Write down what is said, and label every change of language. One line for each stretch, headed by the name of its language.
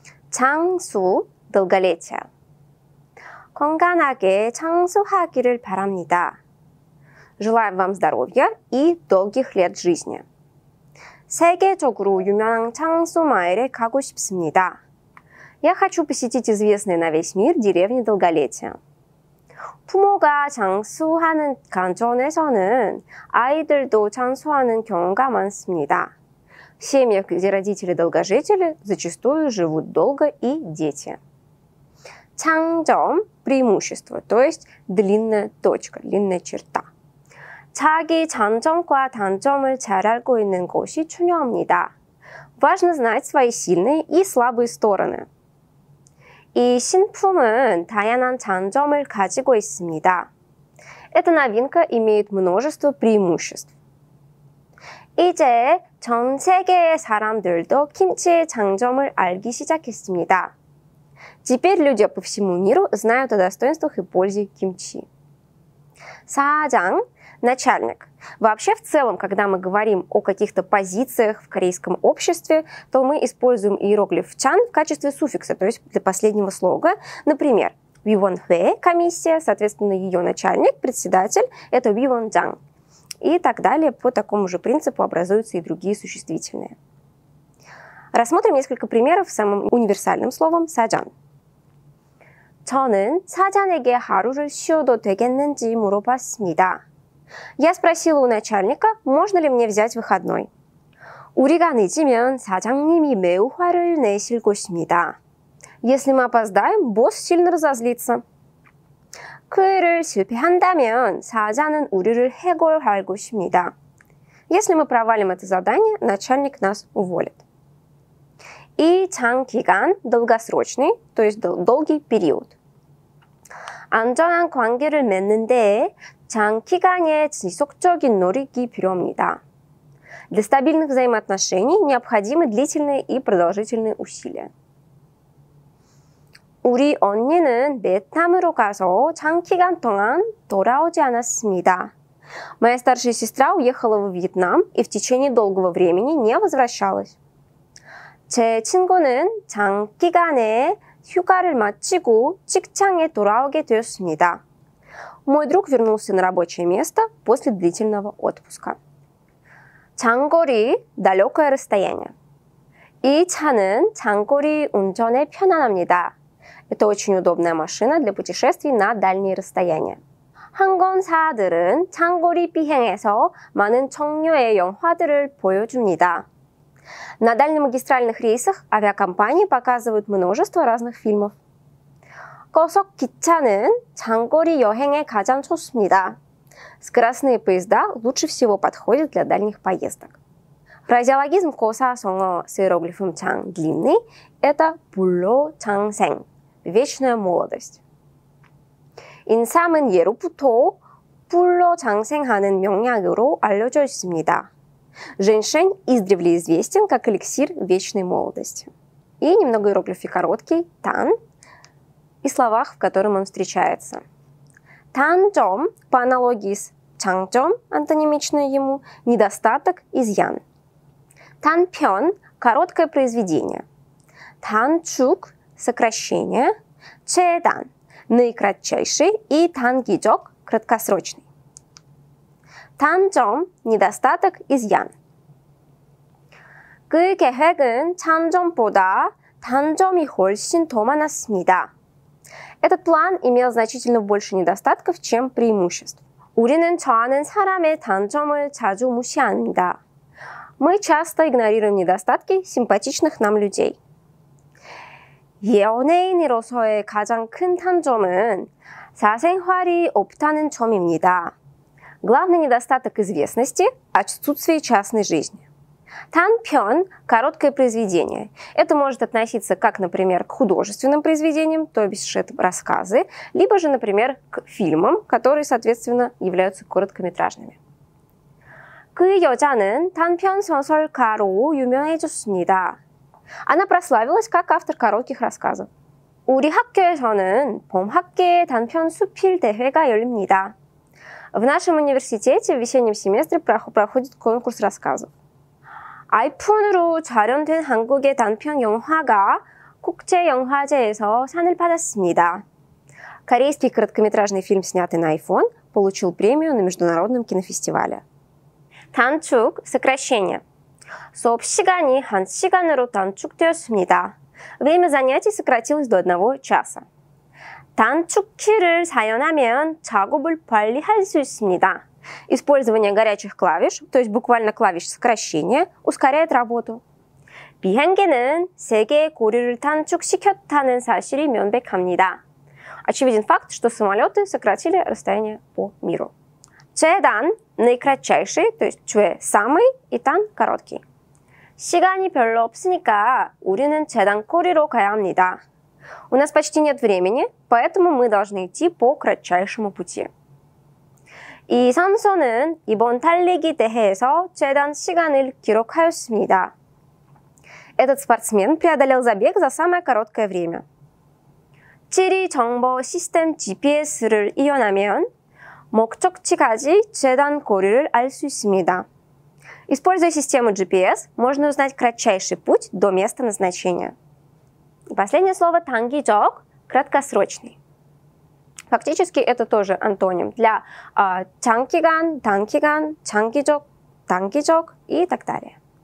Korean: Чангсу – долголетие. Конганаге чангсухагирил барамнида.
Russian: Желаем вам здоровья и долгих лет жизни.
Korean: Сегеджогуру юмянан чангсу маэре гагу сипсмнида.
Russian: Я хочу посетить известные на весь мир деревни долголетия.
Korean: 부모가 장수하는 가정에서는 아이들도 장수하는 경우가 많습니다.
Russian: В семьях, где родители долгожители, зачастую живут долго и дети. 장점 – преимущество, то есть длинная точка, длинная черта.
Korean: 자기 장점과 단점을 잘 알고 있는 것이 중요합니다.
Russian: Важно знать свои сильные и слабые стороны.
Korean: И 신품은 다양한 장점을 가지고 있습니다.
Russian: Эта новинка имеет множество преимуществ.
Korean: 이제 전 세계의 사람들도 김치의 장점을 알기 시작했습니다.
Russian: Теперь люди по всему миру знают о достоинствах и пользе кимчи. 사장 – начальник. Вообще, в целом, когда мы говорим о каких-то позициях в корейском обществе, то мы используем иероглиф «чан» в качестве суффикса, то есть для последнего слога. Например, «вивонхэ» – комиссия, соответственно, ее начальник, председатель – это «вивонджан». И так далее, по такому же принципу образуются и другие существительные. Рассмотрим несколько примеров с самым универсальным словом «саджан».
Korean: 저는 사장에게 하루를 쉬어도 되겠는지 물어봤습니다.
Russian: Я спросила у начальника, можно ли мне взять выходной.
Korean: 우리가 늦으면 사장님이 매우 화를 내실 것입니다.
Russian: Если мы опоздаем, босс сильно разозлится.
Korean: 그 일을 실패한다면 사장은 우리를 해고할 것입니다.
Russian: Если мы провалим это задание, начальник нас уволит. И 장기간 – долгосрочный, то есть долгий период.
Korean: 안전한 관계를 맺는데 장기간의 지속적인 노력이 필요합니다.
Russian: Для стабильных взаимоотношений необходимы длительные и продолжительные усилия.
Korean: 우리 언니는 베트남으로 가서 장기간 동안 돌아오지 않았습니다.
Russian: Моя старшая сестра уехала в Вьетнам и в течение долгого времени не возвращалась.
Korean: 제 친구는 장기간의 휴가를 마치고 직장에 돌아오게 되었습니다.
Russian: Мой друг вернулся на рабочее место после длительного отпуска. 장거리 – далекое расстояние.
Korean: 이 차는 장거리 운전에 편안합니다.
Russian: Это очень удобная машина для путешествий на дальние расстояния.
Korean: 항공사들은 장거리 비행에서 많은 종류의 영화들을 보여줍니다.
Russian: На дальнемагистральных рейсах авиакомпании показывают множество разных фильмов.
Korean: 고속 기차는 장거리 여행에 가장 좋습니다.
Russian: Скоростные поезда лучше всего подходят для дальних поездок. Фразеологизм 고사성어 с иероглифом 장 – длинный – это 불로장생 – вечная молодость.
Korean: 인삼은 예로부터 불로장생하는 명약으로 알려져 있습니다.
Russian: Женьшень издревле известен как эликсир вечной молодости. И немного иероглифы короткий – тан и словах, в котором он встречается. Танчжом, по аналогии с чангчжом, антонимичное ему, недостаток, изъян. Танпён, короткое произведение. Танчук, сокращение. Чэдан, наикратчайший. И тангиджок, краткосрочный. Танчжом, недостаток, изъян.
Korean: 그 계획은 장점보다 단점이 훨씬 더 많았습니다.
Russian: Этот план имел значительно больше недостатков, чем преимуществ.
Korean: 우리는 좋아하는 사람의 단점을 자주 무시합니다.
Russian: Мы часто игнорируем недостатки симпатичных нам людей.
Korean: 연예인으로서의 가장 큰 단점은 사생활이 없다는 점입니다.
Russian: Главный недостаток известности – отсутствие частной жизни. Танпён – короткое произведение. Это может относиться как, например, к художественным произведениям, то есть это рассказы, либо же, например, к фильмам, которые, соответственно, являются короткометражными.
Korean: 그 여자는 단편 소설가로 유명해졌습니다.
Russian: Она прославилась как автор коротких рассказов.
Korean: 우리 학교에서는 봄 학기에 단편 수필 대회가 열립니다.
Russian: В нашем университете в весеннем семестре проходит конкурс рассказов.
Korean: 아이폰으로 촬영된 한국의 단편 영화가 국제 영화제에서 상을 받았습니다.
Russian: Корейский короткометражный фильм, снятый на iPhone, получил премию на международном кинофестивале. 단축, сокращение.
Korean: 수업 시간이 한 시간으로 단축되었습니다.
Russian: Время занятий сократилось до 1 часа.
Korean: 단축키를 사용하면 작업을 빨리 할 수 있습니다.
Russian: Использование горячих клавиш, то есть буквально клавиш сокращения, ускоряет работу.
Korean: 비행기는 세 개의 고리를 단축시켰다는 사실이 명백합니다.
Russian: Очевиден факт, что самолеты сократили расстояние по миру. 최단, наикратчайший, то есть 최, самый, и 단, короткий.
Korean: 시간이 별로 없으니까 우리는 최단 거리로 가야 합니다.
Russian: У нас почти нет времени, поэтому мы должны идти по кратчайшему пути.
Korean: 이 선수는 이번 달리기 대회에서 최단 시간을 기록하였습니다.
Russian: Этот спортсмен преодолел забег за самое короткое время.
Korean: 지리 정보 시스템 GPS를 이용하면 목적지까지 최단 거리를 알 수 있습니다.
Russian: Используя систему GPS, можно узнать кратчайший путь до места назначения. И последнее слово «тангичок» – краткосрочный. Фактически это тоже антоним для «чанкиган», «танкиган», «чанкичок», «тангичок» и так далее.